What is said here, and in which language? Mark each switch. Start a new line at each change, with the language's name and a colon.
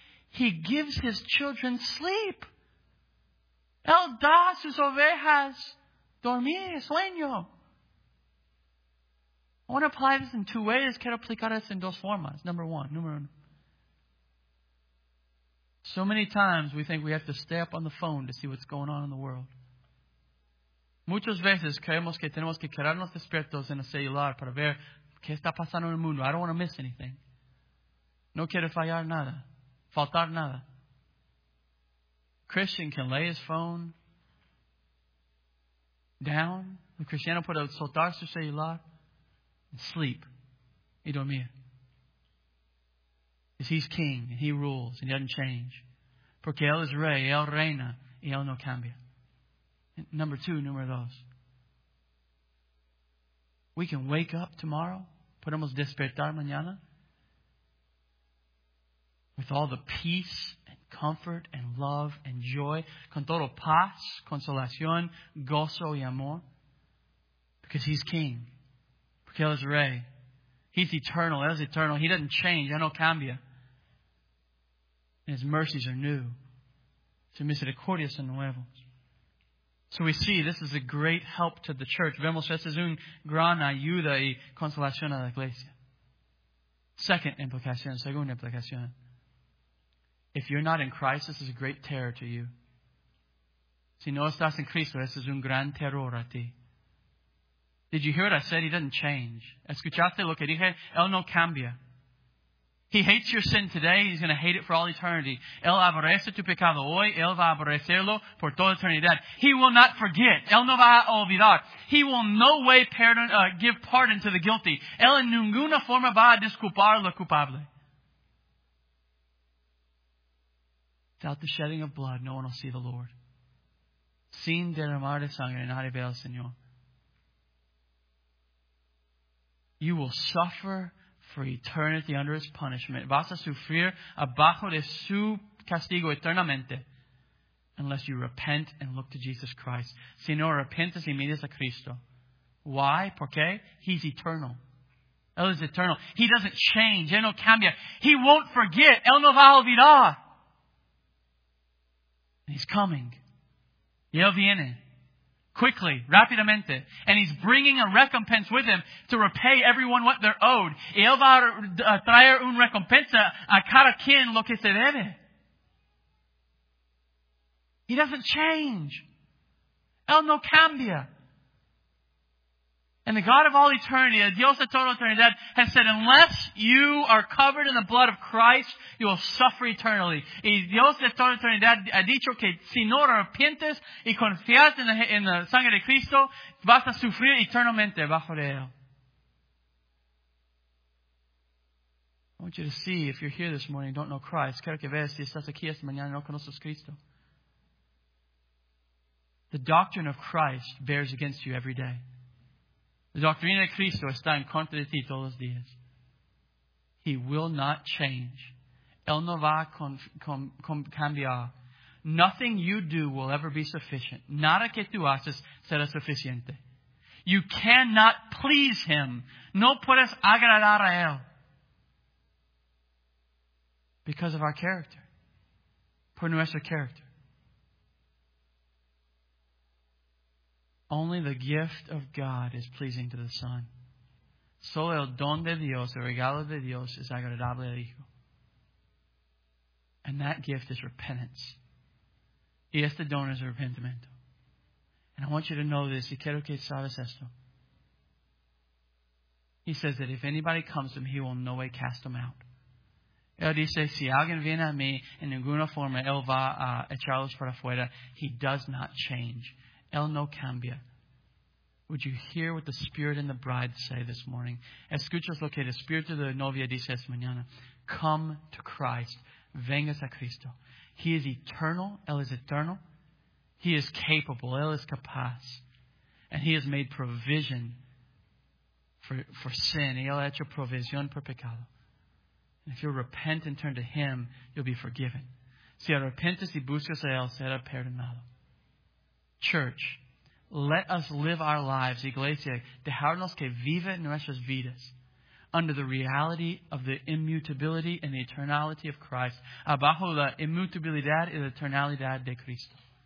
English: He gives His children sleep.
Spanish: Él da a sus ovejas dormir, sueño.
English: I want to apply this in two ways.
Spanish: Quiero aplicar esto en dos formas. Número uno.
English: So many times we think we have to stay up on the phone to see what's going on in the world.
Spanish: Muchas veces creemos que tenemos que quedarnos despiertos en el celular para ver qué está pasando en el mundo.
English: I don't want to miss anything.
Spanish: No quiere fallar nada. Faltar nada.
English: Christian can lay his phone down.
Spanish: El cristiano puede soltar su celular
English: and sleep
Spanish: y dormir.
English: Because he's king and he rules and he doesn't change.
Spanish: Porque él es rey, él reina y él no cambia.
English: Number two,
Spanish: número dos.
English: We can wake up tomorrow,
Spanish: podemos despertar mañana,
English: with all the peace and comfort and love and joy,
Spanish: con todo paz, consolación, gozo y amor,
English: because he's king,
Spanish: porque él es rey.
English: He's eternal,
Spanish: él es eterno.
English: He doesn't change,
Spanish: él no cambia.
English: And his mercies are new.
Spanish: Sus misericordias son nuevas.
English: So we see this is a great help to the church.
Spanish: Vemos que es un gran ayuda y consolación a la iglesia. Segunda implicación.
English: If you're not in Christ, this is a great terror to you.
Spanish: Si no estás en Cristo,
English: this is
Spanish: un gran terror a ti.
English: Did you hear what I said? He doesn't change.
Spanish: ¿Escuchaste lo que dije? Él no cambia.
English: He hates your sin today. He's going to hate it for all eternity.
Spanish: Él aborrece tu pecado hoy. Él va a aborrecerlo por toda eternidad.
English: He will not forget.
Spanish: Él no va a olvidar.
English: He will no way pardon, give pardon to the guilty.
Spanish: Él en ninguna forma va a disculpar lo culpable.
English: Without the shedding of blood, no one will see the Lord.
Spanish: Sin derramar de sangre, nadie ve al Señor.
English: You will suffer for eternity under his punishment.
Spanish: Vas a sufrir abajo de su castigo eternamente
English: unless you repent and look to Jesus Christ.
Spanish: Si no arrepentes y miras a Cristo.
English: Why?
Spanish: ¿Por qué?
English: He's eternal.
Spanish: Él es eterno.
English: He doesn't change.
Spanish: Él no cambia.
English: He won't forget.
Spanish: Él no va a olvidar.
English: And he's coming.
Spanish: Y él viene.
English: Quickly,
Spanish: rápidamente.
English: And he's bringing a recompense with him to repay everyone what they're owed.
Spanish: Y él va a traer una recompensa a cada quien lo que se debe.
English: He doesn't change.
Spanish: Él no cambia.
English: And the God of all eternity, the
Spanish: Dios de toda eternidad,
English: has said, unless you are covered in the blood of Christ, you will suffer eternally.
Spanish: Y Dios de toda eternidad ha dicho que si no arrepientes y confías en la sangre de Cristo, vas a sufrir eternamente bajo de él.
English: I want you to see, if you're here this morning, don't know Christ,
Spanish: quiero que veas si estás aquí esta mañana y no conoces Cristo.
English: The doctrine of Christ bears against you every day.
Spanish: La doctrina de Cristo está en contra de ti todos los días.
English: He will not change.
Spanish: Él no va a cambiar.
English: Nothing you do will ever be sufficient.
Spanish: Nada que tú haces será suficiente.
English: You cannot please him.
Spanish: No puedes agradar a él.
English: Because of our character.
Spanish: Por nuestro character.
English: Only the gift of God is pleasing to the Son.
Spanish: Solo el don de Dios, el regalo de Dios, es agradable al Hijo.
English: And that gift is repentance.
Spanish: Y este don es arrepentimiento.
English: And I want you to know this.
Spanish: Y quiero que sabes esto.
English: He says that if anybody comes to him, he will no way cast them out.
Spanish: Él dice, si alguien viene a mí, en ninguna forma, él va a echarlos para afuera.
English: He does not change.
Spanish: Él no cambia.
English: Would you hear what the Spirit and the Bride say this morning?
Spanish: Escuchas lo que el Espíritu de la Novia dice esta mañana.
English: Come to Christ.
Spanish: Vengas a Cristo.
English: He is eternal.
Spanish: Él es eterno.
English: He is capable.
Spanish: Él es capaz.
English: And he has made provision for sin.
Spanish: Y él ha hecho provisión por pecado.
English: And if you repent and turn to him, you'll be forgiven.
Spanish: Si arrepentes y buscas a él, será perdonado.
English: Church, let us live our lives,
Spanish: Iglesia, dejarnos que vive nuestras vidas
English: under the reality of the immutability and the eternality of Christ,
Spanish: abajo la inmutabilidad y la eternalidad de Cristo.